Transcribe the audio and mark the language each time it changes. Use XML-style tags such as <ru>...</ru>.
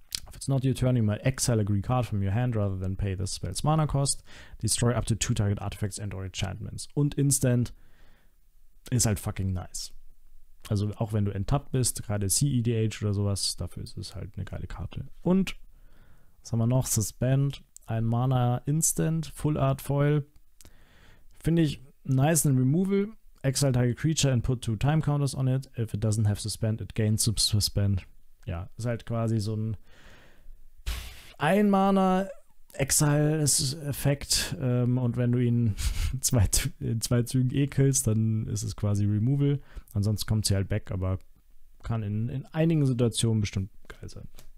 <en>If it's not your turn, you might exile a green card from your hand rather than pay the spell's mana cost. Destroy up to two target artifacts and/or enchantments.</en> <de>Und Instant ist halt fucking nice. Also auch wenn du enttappt bist, gerade CEDH oder sowas, dafür ist es halt eine geile Karte. Und. Was haben wir noch? Suspend, ein Mana Instant, Full Art Foil. Finde ich nice in Removal.</de> <en>Exile target creature and put two time counters on it. If it doesn't have suspend, it gains suspend.</en> <de>Ja, ist halt quasi so ein Mana Exile-Effekt. Und wenn du ihn in zwei Zügen ekelst, dann ist es quasi Removal. Ansonsten kommt sie halt back, aber kann in einigen Situationen bestimmt geil sein.</de>